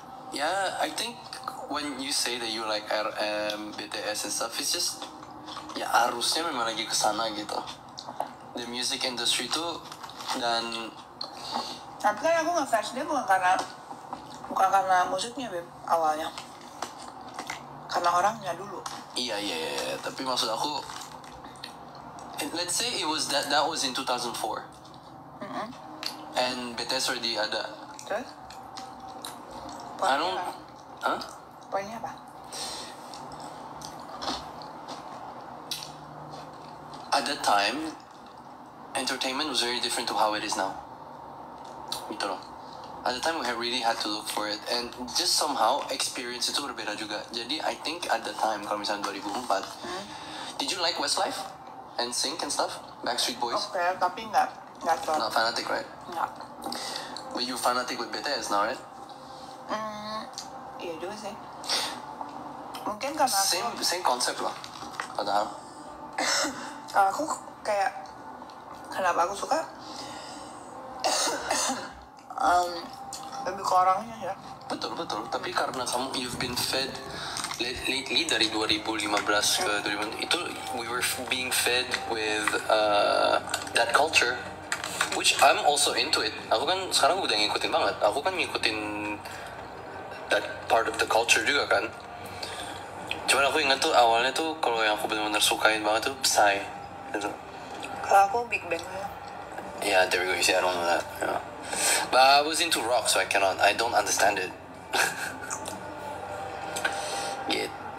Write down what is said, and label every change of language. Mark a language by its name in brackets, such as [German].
[English] Yeah, I think when you say that you like RM, BTS and stuff, it's just [Indonesian] ya arusnya memang lagi kesana gitu. [English] The music industry tuh dan. [Indonesian] Tapi kan aku ngefans dia bukan karena musiknya beb awalnya. Karena orangnya dulu. Iya. Tapi maksud aku, [English] let's say it was that was in 2004. And BTS already [Indonesian] ada. Poinnya apa? [English] At that time, entertainment was very different to how it is now. [Indonesian] Gitu loh. [English] At the time, we really had to look for it. And just somehow, experience [Indonesian] itu berbeda juga. Jadi, [English] I think at the time, [Indonesian] kalau misalnya [English] 2004, did you like Westlife? And Sync and stuff? Backstreet Boys? [Indonesian] Okay, tapi enggak. [English] Not fanatic, right? [Indonesian] Enggak. [English] But you're fanatic with BTS now, right? [Indonesian] Iya juga sih. Mungkin karena [English] same concept [Indonesian] lah. Padahal aku kayak, kenapa aku suka lebih ke orangnya ya. Betul. Tapi karena kamu, [English] you've been fed lately [Indonesian] dari 2015 ke 2020, itu [English] we were being fed with that culture, which I'm also into it. [Indonesian] Aku kan sekarang udah ngikutin banget. Aku kan ngikutin [English] that part of the culture [Indonesian] juga kan. Cuman aku ingat tuh awalnya tuh kalau yang aku benar-benar sukain banget tuh Psy gitu. Kalau aku Big Bang. [English] Yeah, there we go. You see, I don't know that. Yeah. But I was into rock, so I don't understand it. [Indonesian] Gitu.